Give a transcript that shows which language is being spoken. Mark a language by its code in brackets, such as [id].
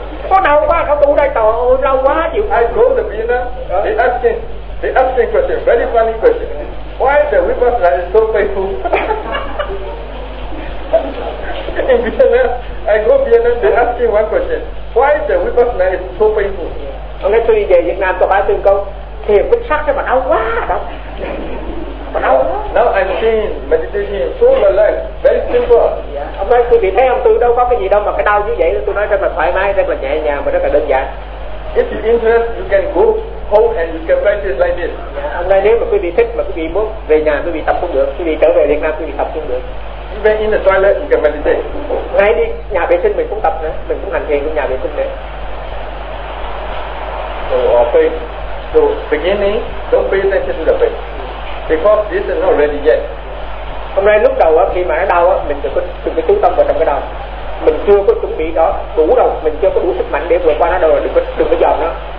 [vi] Có đau quá, không tu đây, trời ơi, đau quá, chịu. [en] I go to Vienna, they asking question, very funny question. Why the Vipassana is so painful? In Vietnam, I go Vietnam, they ask me one question. Why the Vipassana is so painful? [vi] Ông nói tôi đi về Việt Nam, tôi hỏi từng câu, thiền bích sắc thế mà đau quá, đau. Mà đau quá. [en] Now I'm seeing meditation, so relaxed, very simple. Yeah. [vi] Ông nói tôi bị thấy ông tư đâu có cái gì đâu mà cái đau như vậy, tôi nói rất là thoải mái, rất là nhẹ nhàng, rất là đơn giản. [en] If you interest, you can go home and you can practice like this. [vi] Ông nói nếu mà quý vị thích, mà quý vị muốn về nhà, quý vị tập cũng được, quý vị trở về Việt Nam, quý vị tập cũng được. [en] Even in the toilet, you can meditate. [vi] Ngay đi nhà vệ sinh mình cũng tập nữa, mình cũng hành thiền trong nhà vệ sinh nữa. [en] So our pain. So beginning, don't pay attention to the pain. Because this is not ready yet. [vi] Hôm nay lúc đầu á, khi mà nó đau á, mình đừng có chú tâm vào trong cái đau. Mình chưa có chuẩn bị đó đủ đâu, mình chưa có đủ sức mạnh để vượt qua nó đâu, đừng có dòm nó.